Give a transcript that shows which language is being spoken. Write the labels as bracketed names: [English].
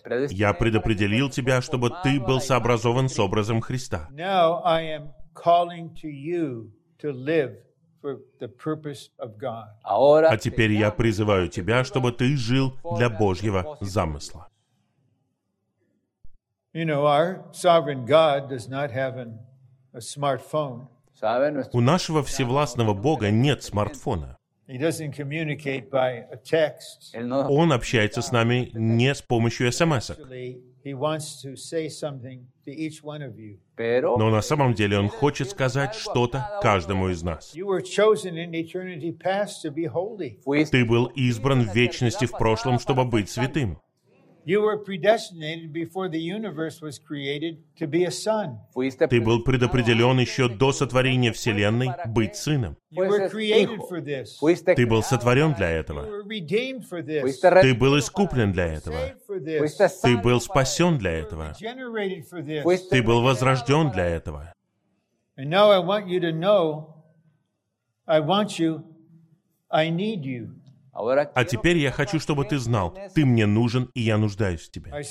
[Russian] Я предопределил тебя, чтобы ты был сообразован с образом Христа. А теперь я призываю тебя, чтобы ты жил для Божьего замысла. [English] You know, our sovereign God does not have a smartphone. [Russian] У нашего всевластного Бога нет смартфона. [English] He doesn't communicate by a text. [Russian] Он общается с нами не с помощью SMS-ок. [English] He wants to say something to each one of you. [Russian] Но на самом деле он хочет сказать что-то каждому из нас. [English] You were chosen in eternity past to be holy. [Russian] Ты был избран в вечности в прошлом, чтобы быть святым. [English] You were predestinated before the universe was created to be a son. [Russian] Ты был предопределен еще до сотворения Вселенной быть сыном. [English] You were created for this. [Russian] Ты был сотворен для этого. [English] You were redeemed for this. [Russian] Ты был искуплен для этого. Ты был спасен для этого. Ты был возрожден для этого. [English] And now I want you to know, I want you, I need you. [Russian] А теперь я хочу, чтобы ты знал, ты мне нужен, и я нуждаюсь в тебе.